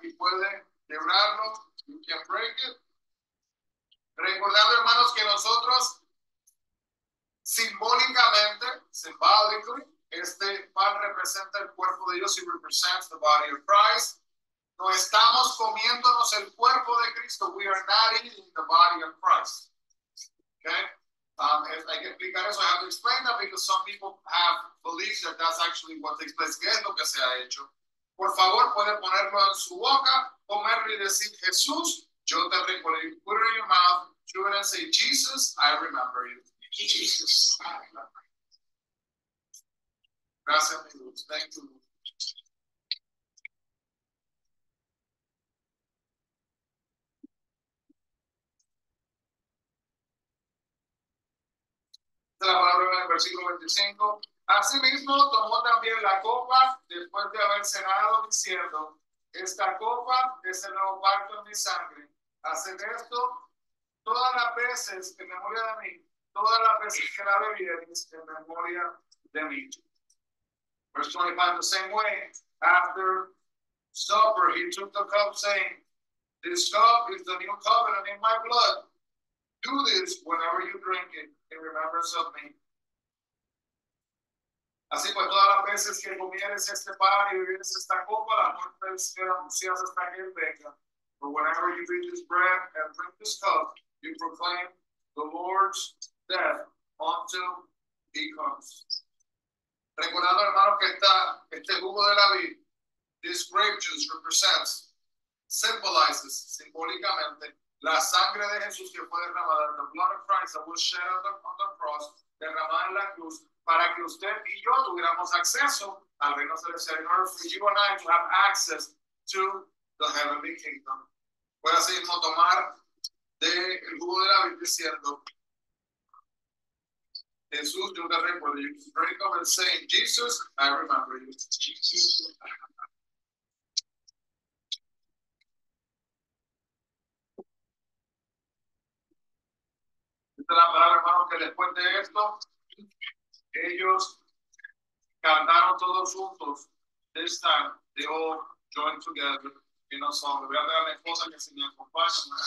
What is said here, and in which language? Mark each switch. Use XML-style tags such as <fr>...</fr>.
<es>Y puede quebrarlo.</es> <en>You can break it.</en> <es>Recordando, hermanos, que nosotros, simbólicamente, symbolically, este pan representa el cuerpo de Dios.</es> <en>It represents the body of Christ.</en> <es>No estamos comiéndonos el cuerpo de Cristo.</es> <en>We are not eating the body of Christ. Okay?</en> <es>Hay que explicar eso.</es> <en>I have to explain that because some people have believed that that's actually what takes place.</en> <es>¿Qué es lo que se ha hecho? Por favor, puede ponerlo en su boca, comerlo y decir, Jesús, yo te recuerdo.</es> <en>Put it in your mouth, chew it and say, Jesus, I remember you. Jesus, I remember you.</en> <es>Gracias, mi Dios.</es> <en>Thank you, Lord.</en> <es>La palabra en el versículo 25. Asimismo, tomó también la copa después de haber cenado, diciendo: esta copa es el nuevo pacto en mi sangre. Haced esto todas las veces en memoria de mí, todas las veces que la bebieres en memoria de mí.</es> <en>Verse 25. The same way, after supper, he took the cup, saying: this cup is the new covenant in my blood. Do this whenever you drink it. In remembrance of me.</en> <es>Así pues, todas las veces que comieres este pan y bebieres esta copa, la muerte del Señor anuncias hasta que él venga.</es> <en>For whenever you eat this bread and drink this cup, you proclaim the Lord's death until he comes.</en> <es>Recordando, hermanos, que este jugo de la vid,</es> <en>this grape juice represents, symbolizes,</en> <es>simbólicamente, la sangre de Jesús que fue derramada,</es> <en>the blood of Christ that was shed on the cross,</en> <es>derramada en la cruz, para que usted y yo tuviéramos acceso al reino celestial,</es> <en>in order for you and I to have access to the heavenly kingdom.</en> <es>Puede así mismo tomar de el jugo de la vida, es cierto. Jesús, yo te recuerdo.</es> <en>You drink of and say, Jesus, I remember you. Jesus.</en> <es>Esta es la palabra, hermano, que después de esto, ellos cantaron todos juntos.</es> <en>This time, they all joined together in a song.</en> <es>Voy a dar a mi esposa que se me acompañe.</es>